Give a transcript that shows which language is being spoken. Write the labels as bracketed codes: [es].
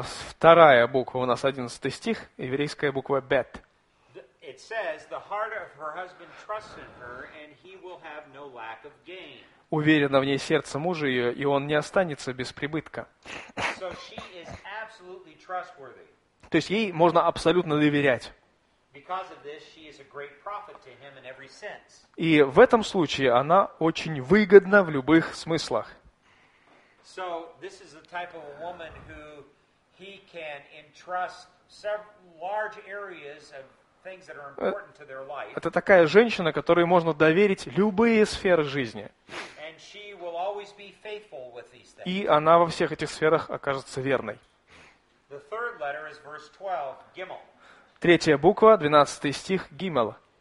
[ru] Вторая буква у нас 11 стих, еврейская буква Бет. [en] It says, the heart of her husband trusts in her, and he will have no lack of gain. [ru] Уверена в ней сердце мужа ее, и он не останется без прибытка. [en] So she is absolutely trustworthy. [ru] То есть ей можно абсолютно доверять. [en] Because of this, she is a great prophet to him in every sense. [ru] И в этом случае она очень выгодна в любых смыслах. [en] So this is the type of a woman who he can entrust several large areas of things that are important to their life. [ru] Это такая женщина, которой можно доверить любые сферы жизни. [en] And she will always be faithful with these things. [ru] И она во всех этих сферах окажется верной. [en] The third letter is verse 12, Gimel. [ru] Третья буква, 12 стих, Гимел.